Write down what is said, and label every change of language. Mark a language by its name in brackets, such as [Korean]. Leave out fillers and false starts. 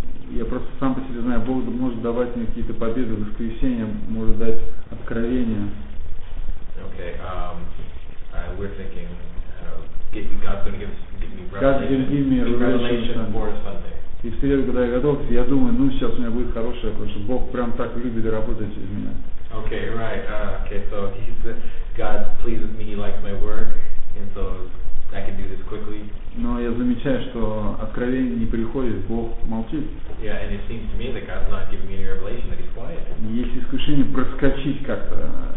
[Russian] Я просто сам по себе знаю, Бог может давать мне какие-то победы в воскресенье, может дать откровения. [English] Okay, we're thinking, God's going to give me revelation for Sunday. [Russian] И в среду, когда я готов, я думаю, ну сейчас у меня будет хорошее, потому что Бог прям так любит работать через меня. [English] Okay, right. Okay, so he said, God pleases me, he likes my work, and so I can do this quickly. [Russian] Но я замечаю, что откровение не приходит, Бог молчит. [English] Yeah, and it seems to me that God's not giving me any revelation, that he's quiet. [Russian] Есть искушение проскочить как-то.